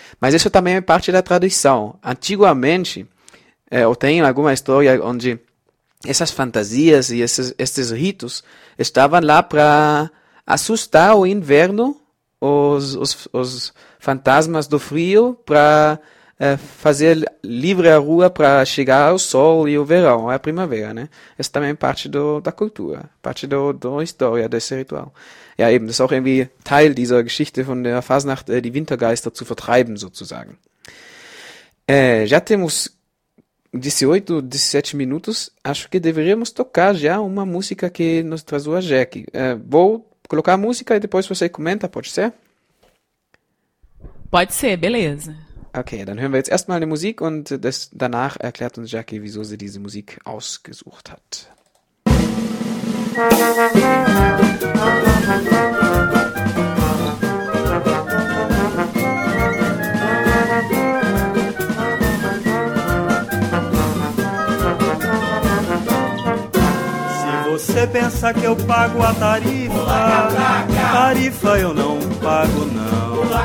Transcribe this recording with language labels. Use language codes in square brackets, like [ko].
[pt] Mas isso também é parte da tradição. Antigamente, ou tem alguma história onde essas fantasias e esses ritos estavam lá para assustar o inverno, os fantasmas do frio, para fazer livre a rua para chegar ao sol e o verão, a primavera, né? Isso também é parte da cultura, parte da história desse ritual. [de] Ja, eben, das ist auch irgendwie Teil dieser Geschichte von der Fasnacht, die Wintergeister zu vertreiben, sozusagen. [pt] Já temos 18, 17 minutos, acho que deveríamos tocar já uma música que nos traz o Jack. Vou colocar a música e depois você comenta, pode ser? Pode ser, beleza. [de] Ok, dann hören wir jetzt erstmal eine Musik und danach erklärt uns Jackie, wieso sie diese Musik ausgesucht hat. [pt] Você pensa que eu pago a tarifa eu não pago não.